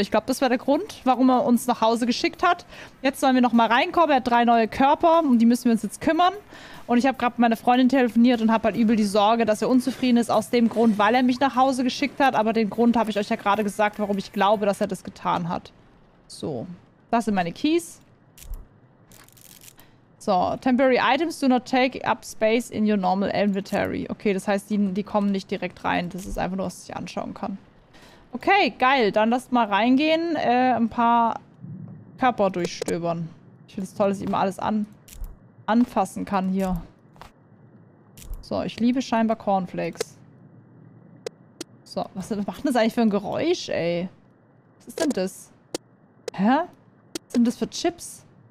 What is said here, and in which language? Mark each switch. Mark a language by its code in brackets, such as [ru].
[de] Ich glaube, das war der Grund, warum er uns nach Hause geschickt hat. Jetzt sollen wir nochmal reinkommen. Er hat drei neue Körper und die müssen wir uns jetzt kümmern. Und ich habe gerade mit meiner Freundin telefoniert und habe halt übel die Sorge, dass er unzufrieden ist aus dem Grund, weil er mich nach Hause geschickt hat. Aber den Grund habe ich euch ja gerade gesagt, warum ich glaube, dass er das getan hat. So. Das sind meine Keys. [en] So, temporary items do not take up space in your normal inventory. [de] Okay, das heißt, die kommen nicht direkt rein. Das ist einfach nur, was ich anschauen kann. Okay, geil. Dann lasst mal reingehen. Ein paar Körper durchstöbern. Ich finde es toll, dass ich immer alles anfassen kann hier. So, ich liebe scheinbar Cornflakes. So, was macht denn das eigentlich für ein Geräusch, ey? Was ist denn das? Hä? Was sind das für Chips?